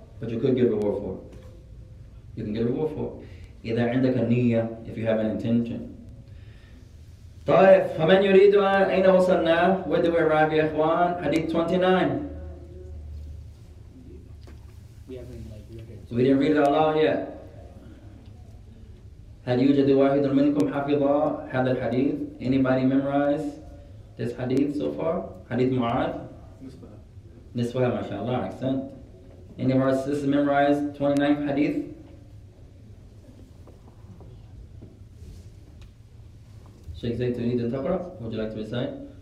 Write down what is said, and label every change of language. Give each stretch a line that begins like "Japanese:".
English: But you could get a reward for it. You can get a reward for it.
Arabic: إِذَا عِنْدَكَ نِيَّةً.
English: If you have an intention.
Arabic: طَيْفْ فَمَنْ يُرِيدُ أَيْنَ وَصَلْنَا.
English: Where do we arrive, ya ikhwan? Hadith 29. We didn't read it aloud yet.
Arabic: هل يوجد واحد منكم حفظ هذا الحديث؟
English: Anybody memorize this hadith so far? Hadith Mu'adh?
Arabic: نسبها.
English: نسبها, mashallah, accent. Any of our sisters memorize 29th hadith? Sheikh Zayd, do you need to taqra? Would you like to recite?